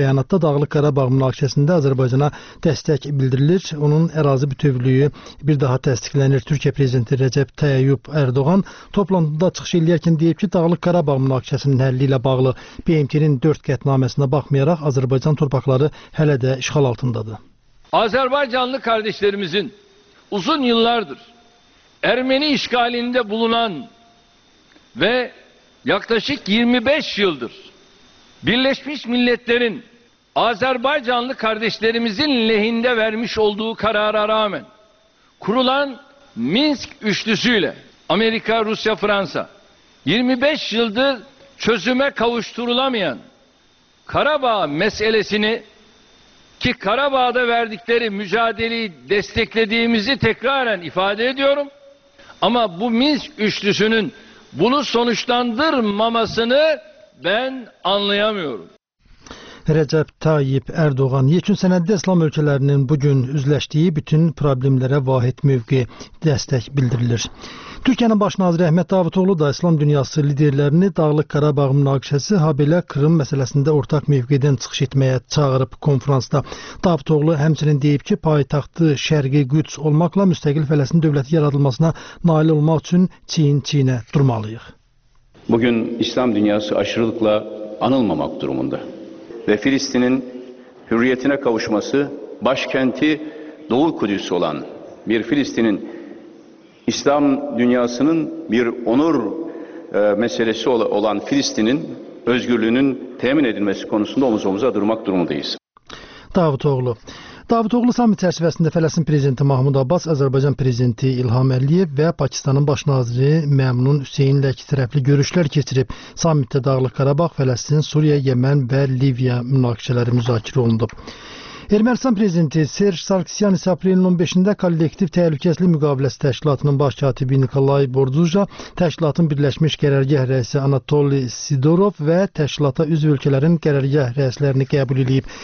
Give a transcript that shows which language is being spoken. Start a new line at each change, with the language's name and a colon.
Azerbaijani: Bəyanatda Dağlıq Qarabağ münaqişəsində Azərbaycana dəstək bildirilir. Onun ərazi bütövlüyü bir daha təsdiqlənir. Türkiyə Prezidenti Rəcəb Tayyub Erdoğan toplantıda çıxış eləyərkən deyib ki, Dağlıq Qarabağ münaqişəsinin həlli ilə bağlı BMT-nin 4 qətnaməsinə baxmayaraq Azərbaycan torpaqları hələ də işğal altındadır.
Turkish: Azərbaycanlı qardaşlarımızın uzun yıllardır Ermeni işgalinde bulunan ve yaklaşık 25 yıldır Birleşmiş Milletler'in Azerbaycanlı kardeşlerimizin lehinde vermiş olduğu karara rağmen kurulan Minsk üçlüsüyle Amerika, Rusya, Fransa 25 yıldır çözüme kavuşturulamayan Karabağ meselesini ki Karabağ'da verdikleri mücadeleyi desteklediğimizi tekraren ifade ediyorum. Ama bu Minsk üçlüsünün bunu sonuçlandırmamasını ben anlayamıyorum.
Azerbaijani: Rəcəb Tayyip Erdoğan, yekun sənəddə İslam ölkələrinin bugün üzləşdiyi bütün problemlərə vahid mövqe dəstək bildirilir. Türkiyənin başnaziri Əhməd Davutoğlu da İslam dünyası liderlərini Dağlıq Qarabağ münaqişəsi, habelə Kırım məsələsində ortaq mövqedən çıxış etməyə çağırıb konfransda. Davutoğlu həmçinin deyib ki, payitaxtı Şərqi Qüds olmaqla müstəqil Fələstin dövləti yaradılmasına nail olmaq üçün çiyin-çiyinə durmalıyıq.
Turkish: Bugün İslam dünyası aşırılıkla anılmamaq durumunda ve Filistin'in hürriyetine kavuşması, başkenti Doğu Kudüs olan bir Filistin'in İslam dünyasının bir onur meselesi olan Filistin'in özgürlüğünün temin edilmesi konusunda omuz omuza durmak durumundayız.
Azerbaijani: Davutoğlu. Davutoğlu samit çərçivəsində Fələstin prezidenti Mahmud Abbas, Azərbaycan prezidenti İlham Əliyev və Pakistanın başnaziri Məmnun Hüseynlə iki tərəfli görüşlər keçirib. Samitdə Dağlıq Qarabağ, Fələstin, Suriya, Yəmən və Liviya münaqişələri müzakirə olundu. Ermənistan prezidenti Serj Sarkisyan isə aprelin 15-də kollektiv təhlükəsizlik müqaviləsi təşkilatının baş katibi Nikolay Borduja, təşkilatın birləşmiş qərargah rəisi Anatoli Sidorov və təşkilata üzv ölkələrin qərargah rəislərini qəbul edib.